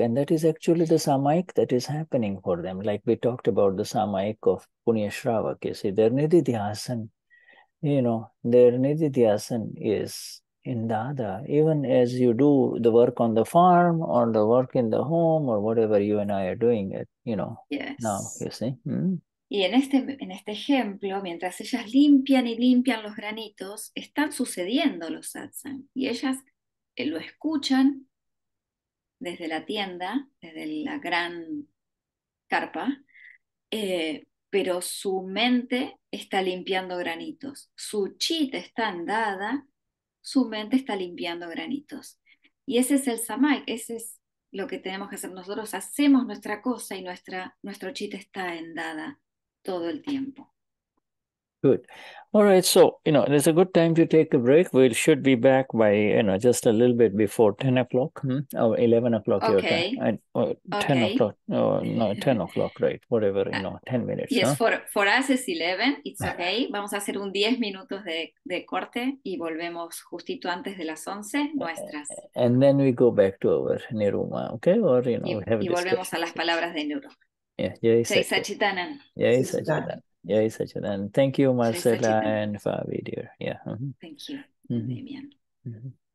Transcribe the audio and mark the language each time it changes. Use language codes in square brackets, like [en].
[en] And that is actually the samayik that is happening for them. Like we talked about the samayik of Punya Shravak, their nididhyasan, their nididhyasan is in Dada. Even as you do the work on the farm or the work in the home or whatever you and I are doing it, Yes. Now, [es] Y en este ejemplo, mientras ellas limpian y limpian los granitos, están sucediendo los satsang. Y ellas lo escuchan desde la tienda, desde la gran carpa, pero su mente está limpiando granitos. Su chit está andada, su mente está limpiando granitos. Y ese es el samay, ese es lo que tenemos que hacer. Nosotros hacemos nuestra cosa y nuestro chit está andada. Todo el tiempo. [en] Good. All right. So, it's a good time to take a break. We should be back by, just a little bit before 10 o'clock or 11 o'clock. Okay. Your time. Okay. 10 o'clock. Oh, no, 10 o'clock, right? Whatever, 10 minutes. Yes, huh? for us it's 11. It's okay. [es] Vamos a hacer un 10 minutos de corte y volvemos justito antes de las 11 nuestras. [en] And then we go back to our Niruma, okay? Or, we have [es] y volvemos a las palabras de Niruma. [en] Yeah, Jai Sachidanan. Jai Sachidanan. Thank you, Marcela and Fabi, dear. Yeah. Mm-hmm. Thank you, mm-hmm. Damian. Mm-hmm.